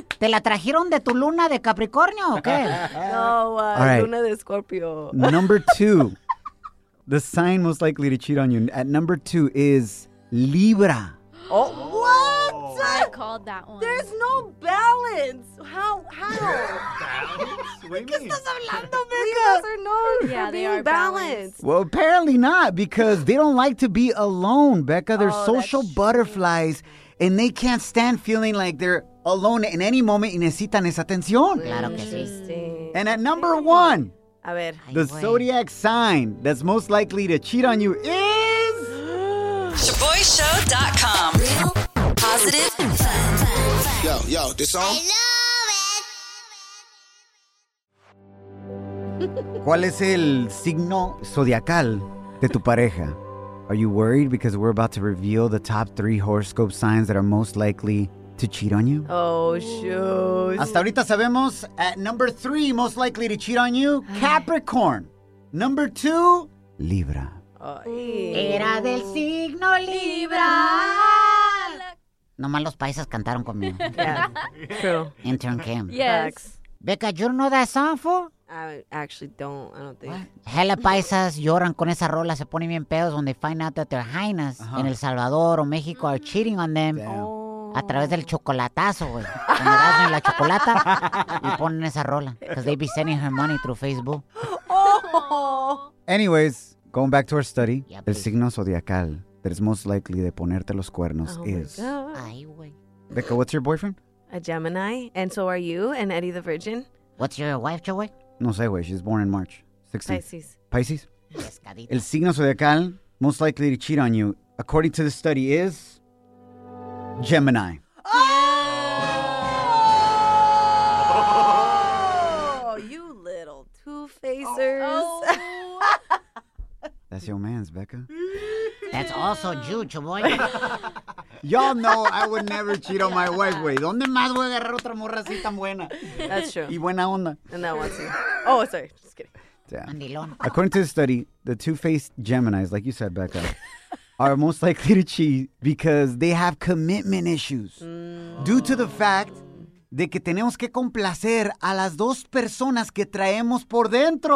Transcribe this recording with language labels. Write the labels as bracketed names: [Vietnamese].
[Spanish] ¿Te la trajeron de tu luna de Capricornio o qué? No, right. Luna de Escorpio. [English] Number two. The sign most likely to cheat on you at number two is Libra. Oh, what? I called that one. There's no balance. How? Balance? What do you mean? [Spanish] Estás hablando, [English] Mika? Libras are known for being balanced. Balanced. Well, apparently not because they don't like to be alone, Becca. They're social butterflies and they can't stand feeling like they're alone in any moment [Spanish] y necesitan esa atención. Claro que sí. [English] And at number one, [Spanish] a ver, [English] the zodiac sign that's most likely to cheat on you is... ShaBoyShow.com. Positive and fun. Yo, this song? I love it. [Spanish] ¿Cuál es el signo zodiacal de tu pareja? [English] Are you worried because we're about to reveal the top 3 horoscope signs that are most likely to cheat on you? Oh, shoot. [Spanish] Hasta ahorita sabemos [English] at number 3 most likely to cheat on you, Capricorn. Number 2, Libra. [Spanish] Era del signo Libra. Nomás los paisas cantaron conmigo. [English] Yeah. True. Intern Kim. Yes. Becca, you don't know that song, fool? I don't think. What? Hella paisas [Spanish] lloran con esa rola, se ponen bien pedos [English] when they find out that their jainas in El Salvador o México are cheating on them. Damn. Oh. [Spanish] A través del chocolatazo, güey. Cuando hacen la chocolata y ponen esa rola. [English] Because they be sending her money through Facebook. Oh. Anyways, going back to our study, [Spanish] el signo zodiacal [English] that is most likely [Spanish] de ponerte los cuernos [English] is... [Spanish] Ay, güey. [English] Becca, what's your boyfriend? A Gemini, and so are you, and Eddie the Virgin. What's your wife, Joe? [Spanish] No sé, güey. [English] She's born in March. 16. Pisces. [Spanish] Pescadito. El signo zodiacal [English] most likely to cheat on you, according to the study, is... Gemini. Oh! Oh, you little two-facers. That's your man's, Becca. That's also you, Chaboy. Y'all know I would never cheat on my wife, güey. [Spanish] ¿Dónde más voy a agarrar otra morra así tan buena? [English] That's true. [Spanish] Y buena onda. [English] And that one, too. Oh, sorry. Just kidding. Damn. Andilón. According to the study, the two-faced Geminis, like you said, Becca, are most likely to cheat because they have commitment issues. Mm. Due to the fact [Spanish] de que tenemos que complacer a las dos personas que traemos por dentro.